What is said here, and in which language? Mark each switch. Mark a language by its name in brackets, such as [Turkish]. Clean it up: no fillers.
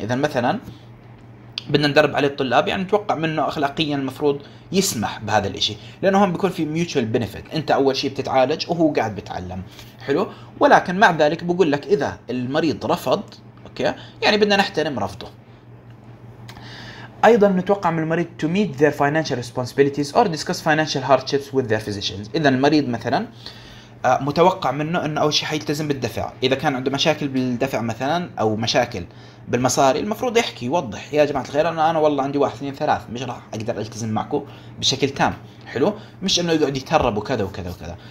[Arabic] اذا مثلا بدنا ندرب عليه الطلاب يعني نتوقع منه اخلاقيا المفروض يسمح بهذا الاشي لانه هم بيكون في mutual benefit انت اول شيء بتتعالج وهو قاعد بتعلم. حلو ولكن مع ذلك بقول لك اذا المريض رفض اوكي يعني بدنا نحترم رفضه. ايضا نتوقع من المريض [English] to meet their financial responsibilities or discuss financial hardships with their physicians. [Arabic] اذا المريض مثلا متوقع منه انه اول شيء حيلتزم بالدفع، اذا كان عنده مشاكل بالدفع مثلا او مشاكل بالمصاري المفروض يحكي يوضح يا جماعه الخير انا والله عندي 1 2 3 مش راح اقدر التزم معكم بشكل تام، حلو؟ مش انه يقعد يتهرب وكذا وكذا وكذا.